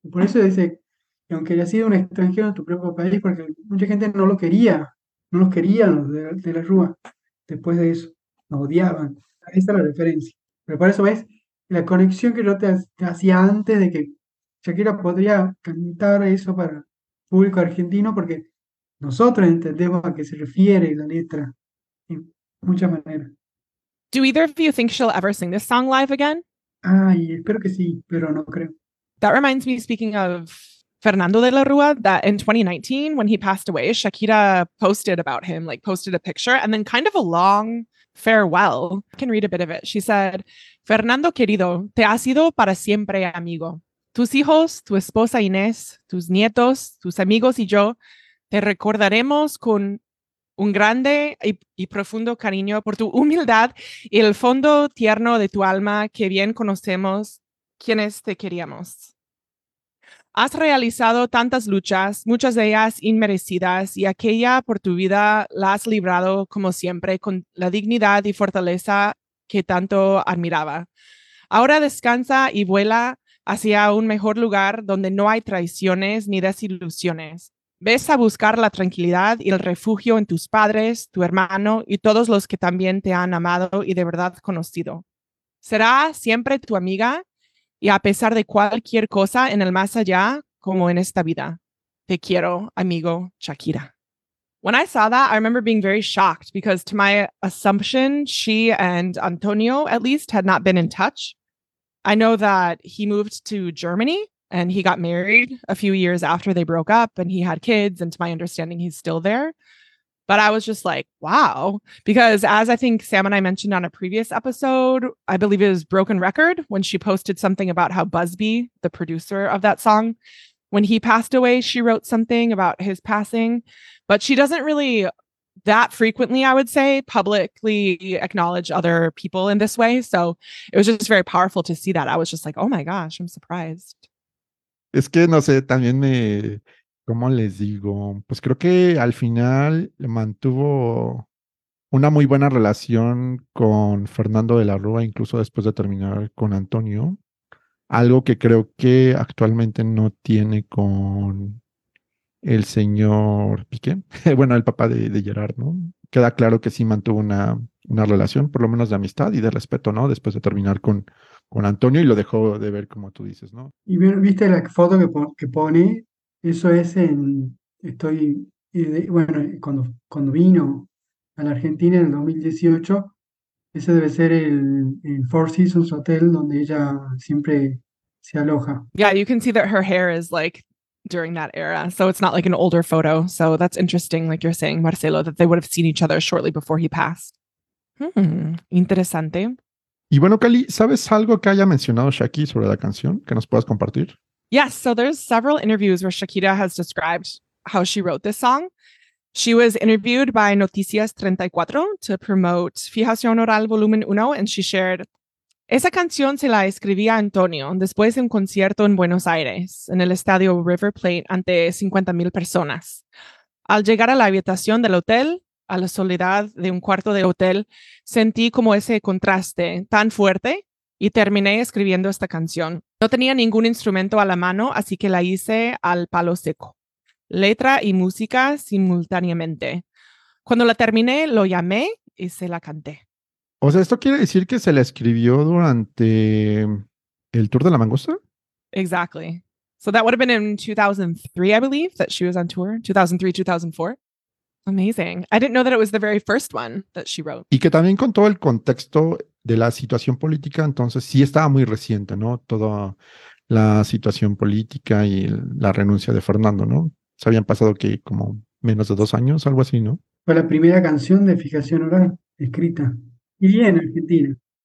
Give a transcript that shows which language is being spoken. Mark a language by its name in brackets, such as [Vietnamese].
[Spanish] Por eso dice que aunque haya sido un extranjero en tu propio país, porque mucha gente no lo quería, no los querían los de la Rúa después de eso, nos odiaban. Esa es la referencia. Pero por eso ves la conexión que yo te hacía antes de que Shakira podría cantar eso para el público argentino, porque nosotros entendemos a qué se refiere la letra en muchas maneras. [English] Do either of you think she'll ever sing this song live again? [Spanish] Ay, espero que sí, pero no creo. [English] That reminds me, speaking of Fernando de la Rúa, that in 2019, when he passed away, Shakira posted about him, like posted a picture and then kind of a long farewell. I can read a bit of it. She said, [Spanish] Fernando querido, te has ido para siempre, amigo. Tus hijos, tu esposa Inés, tus nietos, tus amigos y yo, te recordaremos con un grande y profundo cariño por tu humildad y el fondo tierno de tu alma que bien conocemos quienes te queríamos. Has realizado tantas luchas, muchas de ellas inmerecidas, y aquella por tu vida la has librado como siempre con la dignidad y fortaleza que tanto admiraba. Ahora descansa y vuela hacia un mejor lugar donde no hay traiciones ni desilusiones. Ves a buscar la tranquilidad y el refugio en tus padres, tu hermano y todos los que también te han amado y de verdad conocido. Será siempre tu amiga y a pesar de cualquier cosa en el más allá, como en esta vida. Te quiero, amigo Shakira. [English] When I saw that, I remember being very shocked because to my assumption, she and Antonio, at least, had not been in touch. I know that he moved to Germany. And he got married a few years after they broke up and he had kids. And to my understanding, he's still there. But I was just like, wow. Because as I think Sam and I mentioned on a previous episode, I believe it was Broken Record when she posted something about how Busby, the producer of that song, when he passed away, she wrote something about his passing. But she doesn't really that frequently, I would say, publicly acknowledge other people in this way. So it was just very powerful to see that. I was just like, oh my gosh, I'm surprised. [Spanish] Es que, no sé, también me, ¿cómo les digo? Pues creo que al final mantuvo una muy buena relación con Fernando de la Rúa, incluso después de terminar con Antonio. Algo que creo que actualmente no tiene con el señor Piqué. Bueno, el papá de Gerard, ¿no? Queda claro que sí mantuvo una relación, por lo menos de amistad y de respeto, ¿no? Después de terminar con Antonio, y lo dejó de ver, como tú dices, ¿no? Y viste la foto que pone, eso es en, estoy, bueno, cuando vino a la Argentina en el 2018, ese debe ser el Four Seasons Hotel, donde ella siempre se aloja. [English] Yeah, you can see that her hair is like during that era, so it's not like an older photo, so that's interesting, like you're saying, Marcelo, that they would have seen each other shortly before he passed. [Spanish] Interesante. Y bueno, Cali, ¿sabes algo que haya mencionado Shaki sobre la canción que nos puedas compartir? [English] Yes, so there's several interviews where Shakira has described how she wrote this song. She was interviewed by Noticias 34 to promote Fijación Oral Volumen 1, and she shared, [Spanish] esa canción se la escribí a Antonio después de un concierto en Buenos Aires, en el estadio River Plate, ante 50,000 personas. Al llegar a la habitación del hotel, a la soledad de un cuarto de hotel, sentí como ese contraste tan fuerte y terminé escribiendo esta canción. No tenía ningún instrumento a la mano, así que la hice al palo seco. Letra y música simultáneamente. Cuando la terminé, lo llamé y se la canté. O sea, ¿esto quiere decir que se la escribió durante el tour de La Mangosta? [English] Exactly. So that would have been in 2003, I believe, that she was on tour, 2003-2004. Amazing. I didn't know that it was the very first one that she wrote. [Spanish] Y que también con todo el contexto de la situación política, entonces sí estaba muy reciente, ¿no? Toda la situación política y la renuncia de Fernando, ¿no? Se habían pasado que como menos de 2 años, algo así, ¿no? Fue la primera canción de Fijación Oral escrita. Y en Argentina.